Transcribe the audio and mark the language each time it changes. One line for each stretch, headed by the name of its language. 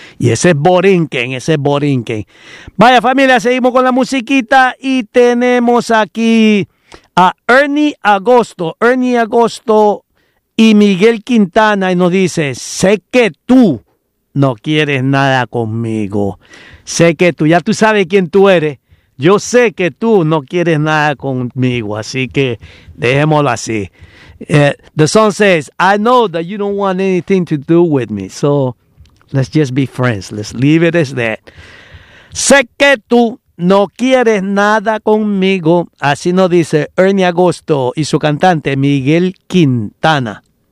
Spanish: Y ese es Borinquen, ese es Borinquen. Vaya familia, seguimos con la musiquita y tenemos aquí a Ernie Agosto y Miguel Quintana y nos dice, sé que tú no quieres nada conmigo. Sé que tú, ya tú sabes quién tú eres. Yo sé que tú no quieres nada conmigo, así que dejémoslo así.
English: The song says, I know that you don't want anything to do with me, so let's just be friends. Let's leave it as that.
Spanish: Sé que tú no quieres nada conmigo, así nos dice Ernie Agosto y su cantante Miguel Quintana.